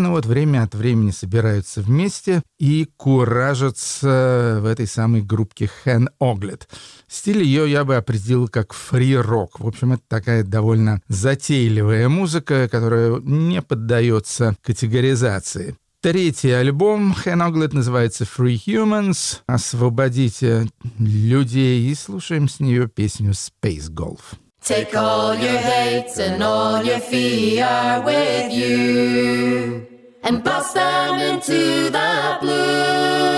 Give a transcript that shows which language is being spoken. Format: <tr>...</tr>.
<ru>Но вот время от времени собираются вместе и куражатся в этой самой группке Хен Оглет. Стиль ее я бы определил как фри-рок. В общем, это такая довольно затейливая музыка, которая не поддается категоризации. Третий альбом Hen Oglet называется Free Humans. Освободите людей и слушаем с нее песню Space Golf.</ru> <en>Take all your hates and all your fear with you and bust them into the</en>